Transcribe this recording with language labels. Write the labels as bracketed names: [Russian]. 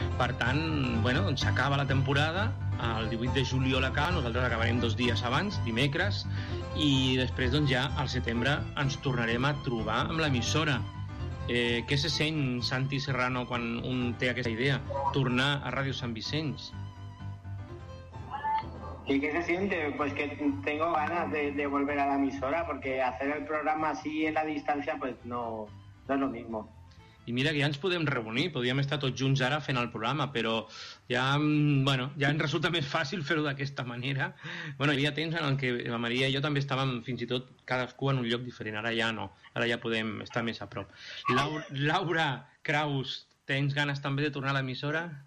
[Catalan] Per tant, bueno, doncs s'acaba la temporada el 18 de juliol acaba, nosaltres acabarem dos dies abans, dimecres, i després doncs ja al setembre ens tornarem a trobar amb l'emissora. Què se sent, Santi Serrano, quan un té aquesta idea, tornar a Ràdio Sant Vicenç? [Spanish] Sí, què se siente? Pues que tengo ganas de volver a l'emissora, porque hacer el programa así en la distancia pues no es lo mismo. [Catalan] I mira que ja ens podem reunir, podríem estar tots junts ara fent el programa, però ja, bueno, ja ens resulta més fàcil fer-ho d'aquesta manera. Bueno, hi havia temps en què la Maria i jo també estàvem fins i tot cadascú en un lloc diferent, ara ja no, ara ja podem estar més a prop. Laura Kraus, tens ganes també de tornar a l'emissora?